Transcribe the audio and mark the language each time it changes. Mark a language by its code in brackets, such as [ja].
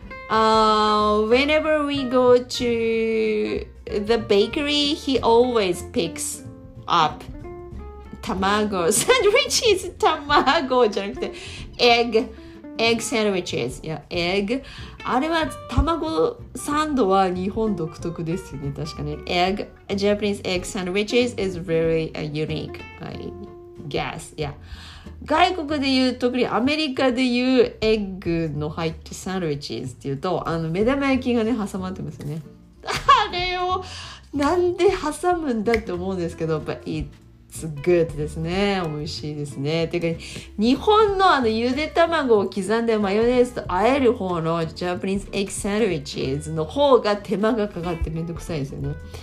[en] Whenever we go to the bakery, he always picks up tamago sandwiches. Tamago [ja] じゃなくて [en] egg sandwiches. Yeah, egg. [ja] あれは卵サンドは日本独特ですよね。確かに。 [en] Egg, Japanese egg sandwiches is really unique, I guess. Yeah. [ja] 外国で言う、特にアメリカで言うエッグの入ったサンドイッチっていうと、あの目玉焼きがね挟まってますよね。あれをなんで挟むんだって思うんですけど、 [en] But it's good [ja] ですね。美味しいですね。ていうか、日本のあのゆで卵を刻んでマヨネーズと和える方のジャパニーズエッグサンドイッチの方が手間がかかってめんどくさいですよね。